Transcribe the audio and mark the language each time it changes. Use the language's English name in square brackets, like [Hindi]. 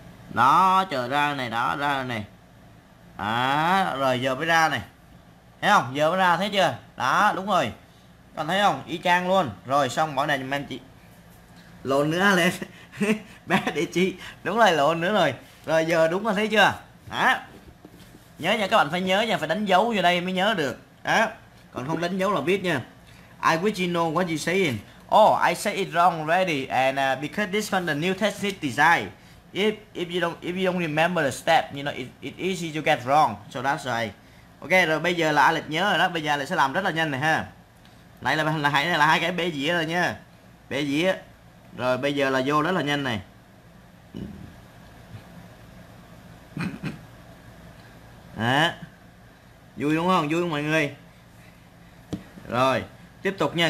[Vietnamese] Đó, chờ ra này, đó ra này. À, rồi giờ mới ra này. Thấy không? Giờ mới ra thấy chưa? Đó, đúng rồi. Con thấy không? Y chang luôn. Rồi xong bỏ này giùm em chị. Lộn nữa lên. Bé để chị. Đúng rồi, lộn nữa rồi. Rồi giờ đúng rồi thấy chưa? Hả? Nhớ nha, các bạn phải nhớ nha, phải đánh dấu vô đây mới nhớ được. Hả? Còn không đánh dấu là biết nha. [English] I wish you know what you're saying. Oh, I say it wrong already and because this one the new technique design. If you don't remember the step, you know it easy to get wrong. So that's why. [Vietnamese] Ok, rồi bây giờ là Alex nhớ rồi đó. Bây giờ Alex sẽ làm rất là nhanh này ha. Nãy là hai cái bể dĩa rồi nha. Bể dĩa. Rồi bây giờ là vô rất là nhanh này. Đó. Vui đúng không? Vui không mọi người? Rồi, tiếp tục nha.